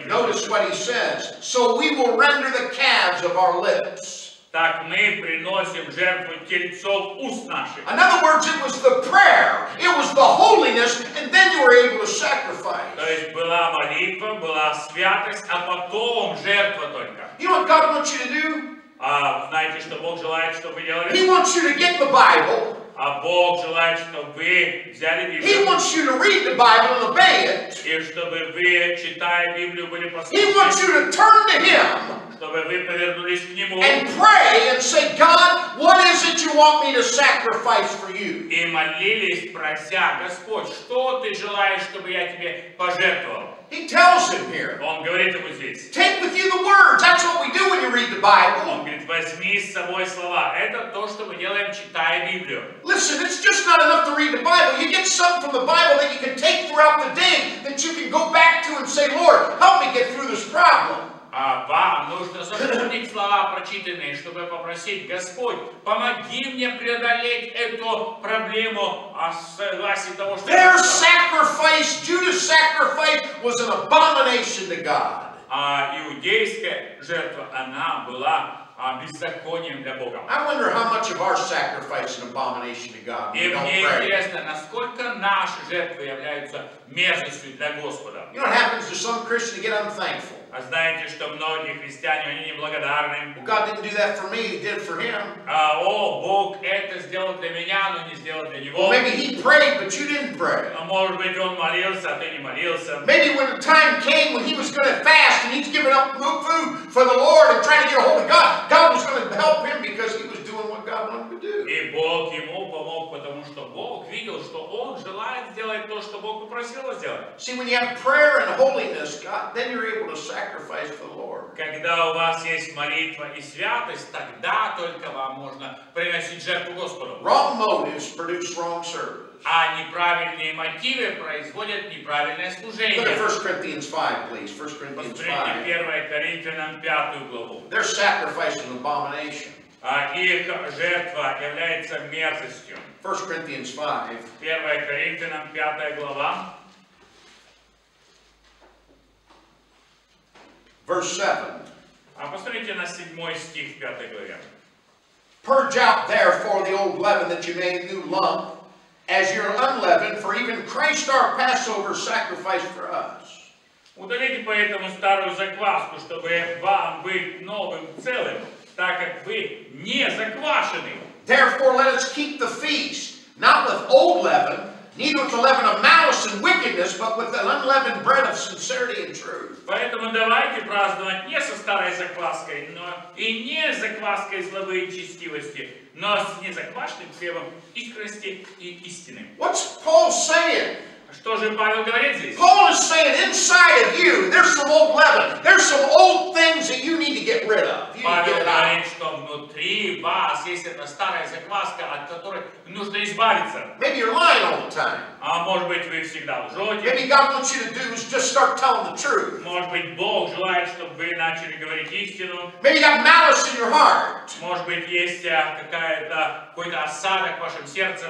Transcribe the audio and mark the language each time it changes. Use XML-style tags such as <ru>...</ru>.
<ru>приносят.</ru> <en>Notice what he says. So we will render the calves of our lips.</en> <ru>Так мы приносим жертву тельцом уст наших.</ru> <en>In other words, it was the prayer. It was the holiness, and then you were able to sacrifice.</en> <ru>То есть была молитва, была святость, а потом жертва только.</ru> <en>You know what God wants you to do?</en> <ru>Знаете, что Бог желает, чтобы вы делали?</ru> <en>He wants you to get the Bible.</en> <ru>А Бог желает, чтобы вы взяли Библию.</ru> <en>He wants you to read the Bible and obey it.</en> <ru>И чтобы вы, читая Библию, были послушны.</ru> <en>He wants you to turn to Him.</en> <ru>Чтобы вы повернулись к Нему.</ru> <en>And pray and say, God, what is it you want me to sacrifice for you?</en> <ru>И молились, прося, Господь, что ты желаешь, чтобы я тебе пожертвовал?</ru> <en>He tells him here.</en> <ru>Он говорит ему здесь.</ru> <en>Take with you the words. That's what we do when you read the Bible.</en> <ru>Он говорит, возьми с собой слова. Это то, что мы делаем, читая Библию.</ru> <en>Listen, it's just not enough to read the Bible. You get something from the Bible that you can take throughout the day that you can go back to and say, Lord, help me get through this problem.</en> <ru>А вам нужно запомнить слова прочитанные, чтобы попросить, Господь, помоги мне преодолеть эту проблему, а согласие того, что...</ru> <en>Their sacrifice, Judas' sacrifice, was an abomination to God.</en> <ru>А иудейская жертва, она была беззаконием для Бога.</ru> <en>I wonder how much of our sacrifice is an abomination to God.</en> <ru>И мне интересно, насколько наши жертвы являются мерзостью для Господа.</ru> <en>You know what happens to some Christians get unthankful?</en> <ru>А знаете, что многие христиане, они неблагодарны.</ru> <en>Well, God didn't do that for me, he did for him.</en> <ru>Бог это сделал для меня, но не сделал для него.</ru> <en>Well, maybe he prayed, but you didn't pray.</en> <ru>Может быть, он молился, а ты не молился.</ru> <en>Maybe when the time came when he was going to fast and he's giving up food for the Lord and trying to get a hold of God, God was going to help him because he was doing what God wanted to do.</en> <ru>И Бог ему помог, потому что Бог видел, что он желает сделать то, что Бог попросил сделать.</ru> <en>See, when you have prayer and holiness, God, then you're able to sacrifice for the Lord.</en> <ru>Когда у вас есть молитва и святость, тогда только вам можно приносить жертву Господу.</ru> <en>Wrong motives produce wrong service.</en> <ru>А неправильные мотивы производят неправильное служение.</ru> <en>Look at 1 Corinthians 5, please. 1 Corinthians 5.</en> <ru>Посмотрите 1 Коринфянам 5 главу.</ru> <en>Their sacrifice is an abomination.</en> <ru>А их жертва является мерзостью.</ru> <en>1 Corinthians 5.</en> <ru>1 Коринфянам 5 глава.</ru> <en>Verse 7.</en> <ru>А посмотрите на 7 стих 5 главе.</ru> <en>Purge out therefore the old leaven that you made new lump as your unleavened, for even Christ our Passover sacrificed for us.</en> <ru>Удалите поэтому старую закваску, чтобы вам быть новым целым, так как вы не заквашены.</ru> <en>Therefore let us keep the feast, not with old leaven, neither with the leaven of malice and wickedness, but with the unleavened bread of sincerity and truth.</en> <ru>Поэтому давайте праздновать не со старой закваской, но и не закваской злобы и честивости, но с незаквашенным хлебом искренности и истины.</ru> <en>What's Paul saying?</en> <ru>Что же Павел говорит здесь?</ru> <en>Paul is saying inside of you, there's some old leaven, there's some old things that you need to get rid of.</en> <ru>Павел говорит, что внутри вас есть эта старая закваска, от которой нужно избавиться.</ru> <en>Maybe you're lying all the time.</en> <ru>А может быть вы всегда лжете.</ru> <en>Maybe God wants you to do is just start telling the truth.</en> <ru>Может быть Бог желает, чтобы вы начали говорить истину.</ru> <en>Maybe you got malice in your heart.</en> <ru>Может быть есть какой-то осадок в вашем сердце.</ru>